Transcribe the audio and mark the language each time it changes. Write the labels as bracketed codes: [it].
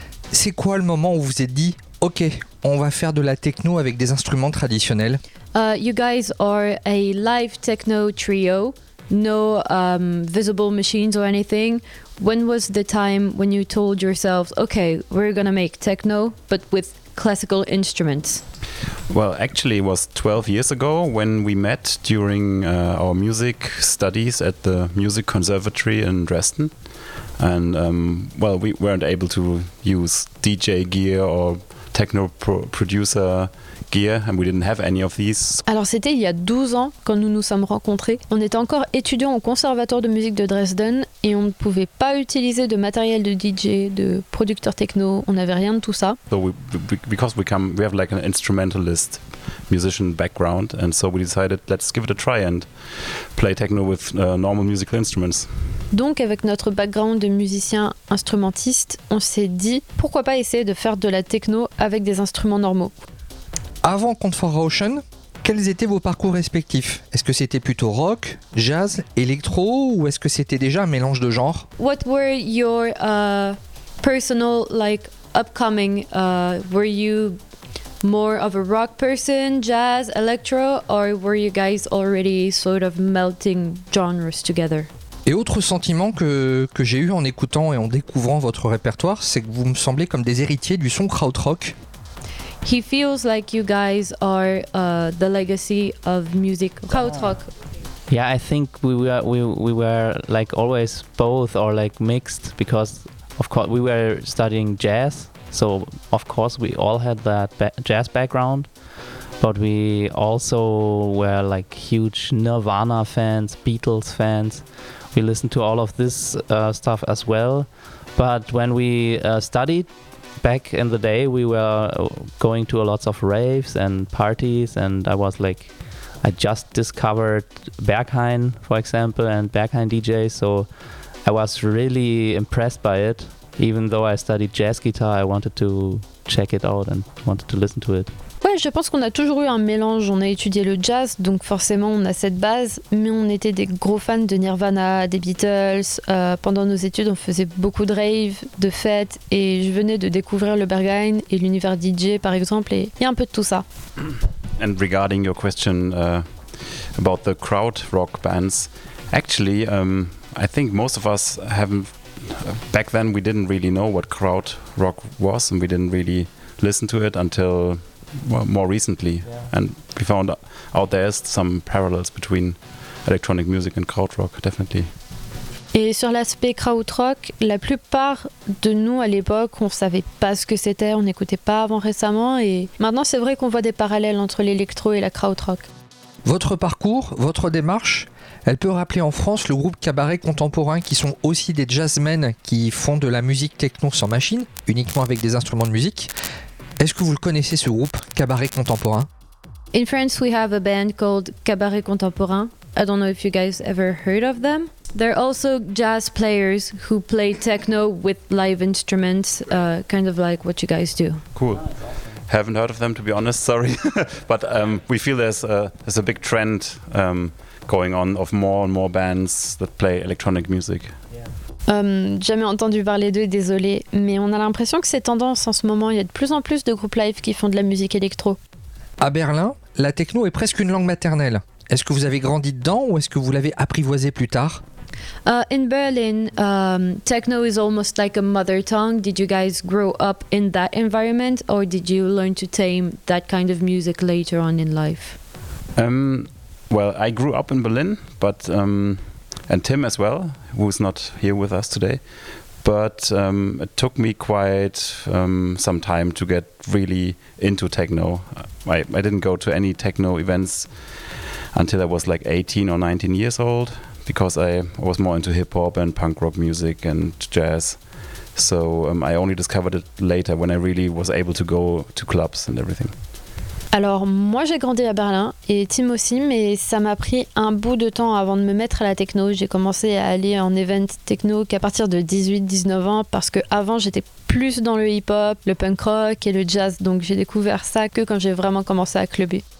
[fr] C'est quoi le moment où vous êtes dit, ok, on va faire de la techno avec des instruments traditionnels? [en] You guys are a live techno trio, no visible machines or anything. When was the time when you told yourselves, okay, we're gonna make techno, but with classical instruments? Well, actually, it was 12 years ago when we met during our music studies at the Music Conservatory in Dresden. And, well, we weren't able to use DJ gear or techno producer gear, and we didn't have any of these. [fr] Alors, c'était il y a 12 ans quand nous nous sommes rencontrés. On était encore étudiants au Conservatoire de musique de Dresden et on ne pouvait pas utiliser de matériel de DJ, de producteur techno, on n'avait rien de tout ça. [en] So we have like an instrumentalist musician background, and so we decided, let's give it a try and play techno with normal musical instruments. [fr] Donc, avec notre background de musicien instrumentiste, on s'est dit, pourquoi pas essayer de faire de la techno avec des instruments normaux. Avant Contraption, quels étaient vos parcours respectifs? Est-ce que c'était plutôt rock, jazz, électro, ou est-ce que c'était déjà un mélange de genres? [en] What were your personal, like, upcoming? Were you more of a rock person, jazz, electro, or were you guys already sort of melting genres together? [fr] Et autre sentiment que j'ai eu en écoutant et en découvrant votre répertoire, c'est que vous me semblez comme des héritiers du son krautrock. [en] He feels like you guys are the legacy of music krautrock. Yeah, I think we were like always both or like mixed, because of course we were studying jazz, so of course we all had that jazz background, but we also were like huge Nirvana fans, Beatles fans. We listened to all of this stuff as well, but when we studied back in the day, we were going to a lots of raves and parties, and I was like, I just discovered Berghain, for example, and Berghain DJ, so I was really impressed by it. Even though I studied jazz guitar, I wanted to check it out and wanted to listen to it. [fr] Ouais, je pense qu'on a toujours eu un mélange. On a étudié le jazz, donc forcément on a cette base, mais on était des gros fans de Nirvana, des Beatles. Pendant nos études, on faisait beaucoup de raves, de fêtes, et je venais de découvrir le Berghain et l'univers DJ par exemple, et il y a un peu de tout ça. [en] And regarding your question about the crowd rock bands, actually, I think most of us haven't. Back then, we didn't really know what crowd rock was, and we didn't really listen to it until more recently. Yeah. And we found out there's some parallels between electronic music and crowd rock, definitely. [fr] Et sur l'aspect krautrock, la plupart de nous à l'époque, on savait pas ce que c'était, on n'écoutait pas avant récemment, et maintenant c'est vrai qu'on voit des parallèles entre l'électro et la krautrock. Votre parcours, votre démarche, elle peut rappeler en France le groupe Cabaret Contemporain, qui sont aussi des jazzmen qui font de la musique techno sans machine, uniquement avec des instruments de musique. Est-ce que vous le connaissez, ce groupe Cabaret Contemporain? [en] In France, we have a band called Cabaret Contemporain. I don't know if you guys ever heard of them. They're also jazz players who play techno with live instruments, kind of like what you guys do. Cool. Haven't heard of them, to be honest, sorry. But we feel there's a big trend going on of more and more bands that play electronic music. [fr] Jamais entendu parler d'eux, désolé. Mais on a l'impression que c'est tendance en ce moment. Il y a de plus en plus de groupes live qui font de la musique électro. À Berlin, la techno est presque une langue maternelle. Est-ce que vous avez grandi dedans ou est-ce que vous l'avez apprivoisé plus tard? [en] In Berlin, techno is almost like a mother tongue. Did you guys grow up in that environment or did you learn to tame that kind of music later on in life? Well, I grew up in Berlin, but and Tim as well, who's not here with us today. But it took me quite some time to get really into techno. I didn't go to any techno events until I was like 18 or 19 years old, because I was more into hip hop and punk rock music and jazz. So I only discovered it later when I really was able to go to clubs and everything. [fr] Alors moi j'ai grandi à Berlin et Tim aussi, mais ça m'a pris un bout de temps avant de me mettre à la techno. J'ai commencé à aller en event techno qu'à partir de 18-19 ans, parce que avant j'étais plus dans le hip-hop, le punk rock et le jazz, donc j'ai découvert ça que quand j'ai vraiment commencé à clubber.